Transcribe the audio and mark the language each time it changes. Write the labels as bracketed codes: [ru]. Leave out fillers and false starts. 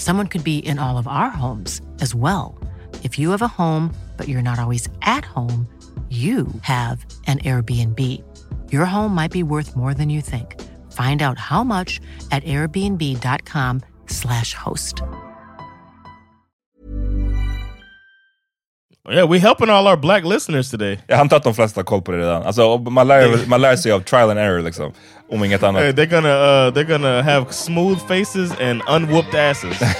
[en] Someone could be in all of our homes as well. If you have a home, but you're not always at home, you have an Airbnb. Your home might be worth more than you think. Find out how much at airbnb.com/host. Yeah, we're helping all our black listeners today. [sv] Jag antar att de flesta har koll på det redan. Alltså, man lär sig av [en] trial and error [sv] liksom. Om inget annat. [en] Hey, they're gonna have smooth faces and unwhooped asses.